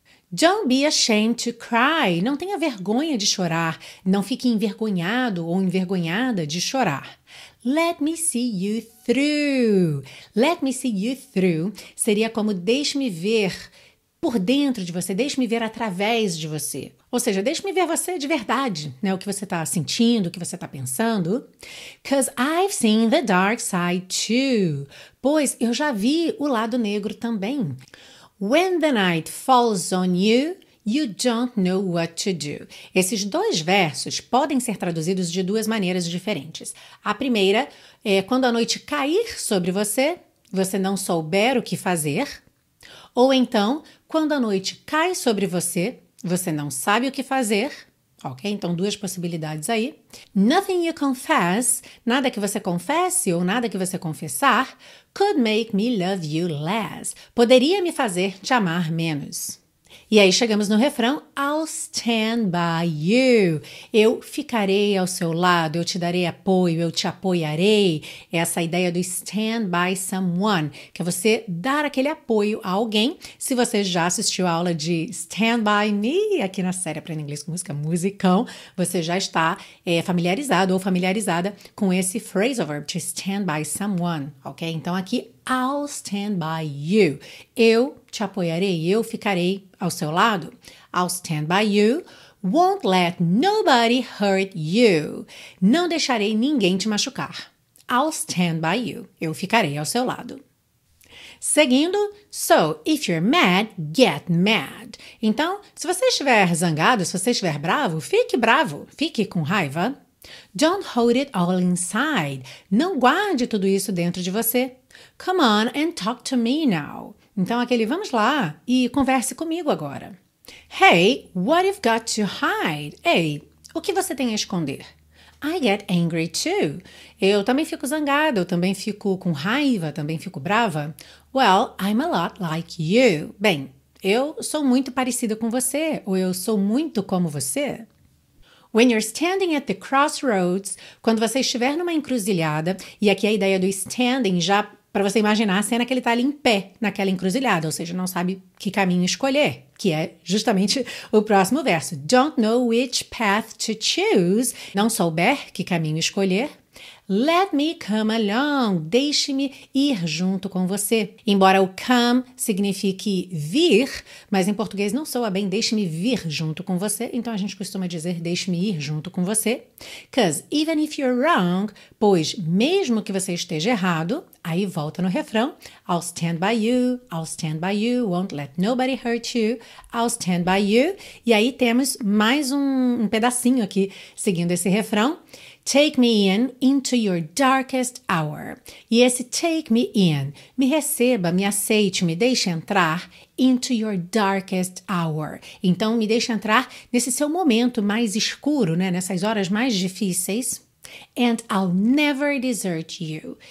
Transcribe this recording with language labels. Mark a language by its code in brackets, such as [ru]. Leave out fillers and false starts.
[en] Don't be ashamed to cry, [pt] não tenha vergonha de chorar, não fique envergonhado ou envergonhada de chorar. [en] Let me see you through. [pt] Let me see you through seria como deixe-me ver por dentro de você, deixe-me ver através de você. Ou seja, deixe-me ver você de verdade, né? O que você está sentindo, o que você está pensando. [en] 'Cause I've seen the dark side too. [pt] Pois eu já vi o lado negro também. [en] When the night falls on you, you don't know what to do. [pt] Esses dois versos podem ser traduzidos de duas maneiras diferentes. A primeira é quando a noite cair sobre você, você não souber o que fazer. Ou então, quando a noite cai sobre você, você não sabe o que fazer. Ok? Então, duas possibilidades aí. [en] Nothing you confess, [pt] nada que você confesse ou nada que você confessar, [en] could make me love you less. [pt] Poderia me fazer te amar menos. E aí chegamos no refrão, [en] I'll stand by you. [pt] Eu ficarei ao seu lado, eu te darei apoio, eu te apoiarei. Essa ideia do stand by someone, que é você dar aquele apoio a alguém. Se você já assistiu a aula de Stand By Me, aqui na série Aprenda Inglês com Música, musicão, você já está familiarizado ou familiarizada com esse phrasal verb, to stand by someone, ok? Então aqui, [en] I'll stand by you. [pt] Eu te apoiarei, eu ficarei ao seu lado. [en] I'll stand by you. Won't let nobody hurt you. [pt] Não deixarei ninguém te machucar. [en] I'll stand by you. [pt] Eu ficarei ao seu lado. Seguindo, [en] so if you're mad, get mad. [pt] Então, se você estiver zangado, se você estiver bravo, fique com raiva. [en] Don't hold it all inside. [pt] Não guarde tudo isso dentro de você. [en] Come on and talk to me now. [pt] Então, aquele vamos lá e converse comigo agora. [en] Hey, what you've got to hide? [pt] Hey, o que você tem a esconder? [en] I get angry too. [pt] Eu também fico zangada, eu também fico com raiva, também fico brava. [en] Well, I'm a lot like you. [pt] Bem, eu sou muito parecida com você, ou eu sou muito como você. [en] When you're standing at the crossroads, [pt] quando você estiver numa encruzilhada, e aqui a ideia do standing já para você imaginar a cena que ele está ali em pé naquela encruzilhada, ou seja, não sabe que caminho escolher, que é justamente o próximo verso. [en] Don't know which path to choose, [pt] não souber que caminho escolher. [en] Let me come along, [pt] deixe-me ir junto com você. Embora o come signifique vir, mas em português não soa bem, deixe-me vir junto com você. Então a gente costuma dizer, deixe-me ir junto com você. [en] Because even if you're wrong, [pt] pois mesmo que você esteja errado, aí volta no refrão, [en] I'll stand by you, won't let nobody hurt you, I'll stand by you. [pt] E aí temos mais um pedacinho aqui, seguindo esse refrão. [en] Take me in into your darkest hour. [pt] E esse take me in, me receba, me aceite, me deixe entrar [en] into your darkest hour. [pt] Então, me deixe entrar nesse seu momento mais escuro, né? Nessas horas mais difíceis. [en] And I'll never desert you.